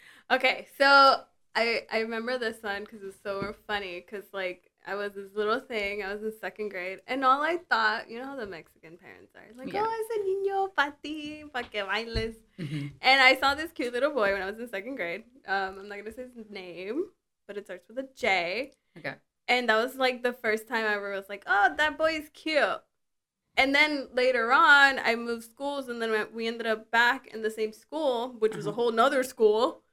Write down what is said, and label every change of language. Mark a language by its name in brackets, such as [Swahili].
[English] Okay, so I remember this one because it's so funny because, like, I was this little thing. I was in second grade. And all I thought, you know how the Mexican parents are. [Spanish] Like, yeah. Oh, ese niño, pa' ti, pa' que bailes. [English] Mm-hmm. And I saw this cute little boy when I was in second grade. I'm not going to say his name, but it starts with a J. Okay. And that was, like, the first time I ever was like, oh, that boy is cute. And then later on, I moved schools. And then we ended up back in the same school, which was a whole nother school.